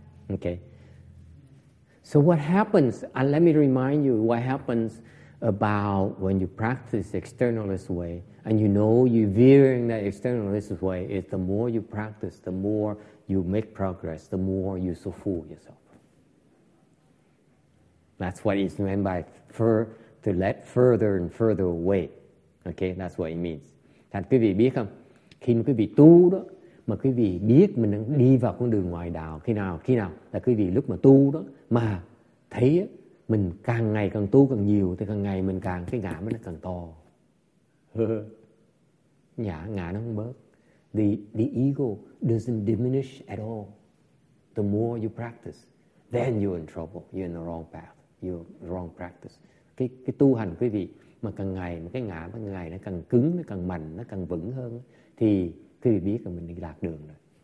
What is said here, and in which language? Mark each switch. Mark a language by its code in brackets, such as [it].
[en] Okay. So what happens, let me remind you what happens about when you practice externalist way and you know you're veering that externalist way, is the more you practice, the more you make progress, the more you so fool yourself. That's what it's meant by to let further and further away. Okay, that's what it means. [vi] Thành quý vị biết không? Khi quý vị tu đó, mà quý vị biết mình đang đi vào con đường ngoài đạo, khi nào là quý vị lúc mà tu đó, mà thấy mình càng ngày càng tu càng nhiều, thì càng ngày mình càng cái ngã mình càng to. Nhả, ngã nó không bớt. [en] The ego doesn't diminish at all. The more you practice, then you're in trouble. You're in the wrong path. You're wrong practice. [vi] Cái tu hành quý vị mà càng ngày mà cái ngã càng ngày nó càng cứng, nó càng mạnh, nó càng vững hơn, thì quý vị biết là mình đi lạc đường rồi.